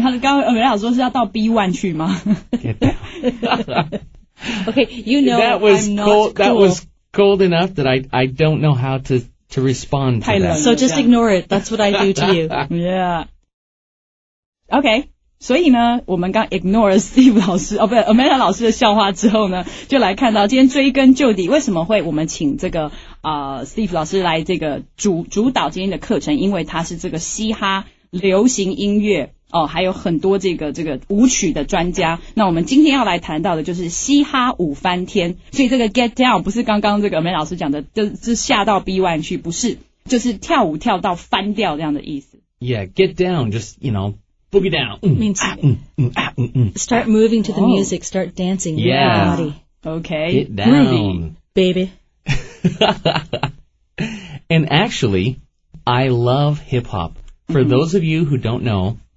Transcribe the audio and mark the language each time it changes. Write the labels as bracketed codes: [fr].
[zh] 他刚刚老师说是要到 B1 去吗? [en] Okay, you know that was I'm cold, That was cold enough that I don't know how to... to respond to that. So just ignore it. That's what I do to you. [zh] Yeah. Okay. 所以呢，我们刚 ignore Steve 老师，哦，不是 Amanda 老师的笑话之后呢，就来看到今天追根究底，为什么会我们请这个Steve 老师来这个主导今天的课程，因为他是这个嘻哈流行音乐哦，还有很多这个舞曲的专家。那我们今天要来谈到的就是嘻哈舞翻天，所以这个 get down 不是刚刚这个梅老师讲的，就是下到 B1 去，不是，就是跳舞跳到翻掉这样的意思。 [en] Yeah, get down, just you know, boogie down. Means start moving to the music, start dancing. Yeah, body. Okay, get down, moving, baby. And actually, I love hip hop. For those of you who don't know.